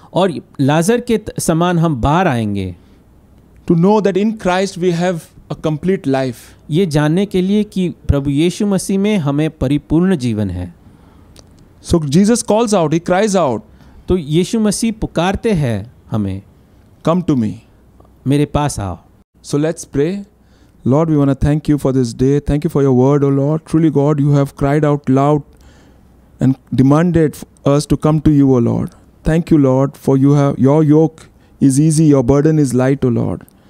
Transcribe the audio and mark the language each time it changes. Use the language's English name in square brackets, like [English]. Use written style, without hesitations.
[Hindi] और लाजर के समान हम बाहर आएंगे. [English] To know that in Christ we have a complete life. [Hindi] ये जानने के लिए कि प्रभु यीशु मसीह में हमें परिपूर्ण जीवन है. [English] So Jesus calls out, he cries out. [Hindi] तो यीशु मसीह पुकारते हैं हमें. [English] Come to me. [Hindi] मेरे पास आओ. [English] So let's pray. Lord, we want to thank you for this day. Thank you for your word, O Lord. Truly, God, you have cried out loud and demanded us to come to you, O Lord. Thank you, Lord, for you have your yoke is easy, your burden is light, O Lord.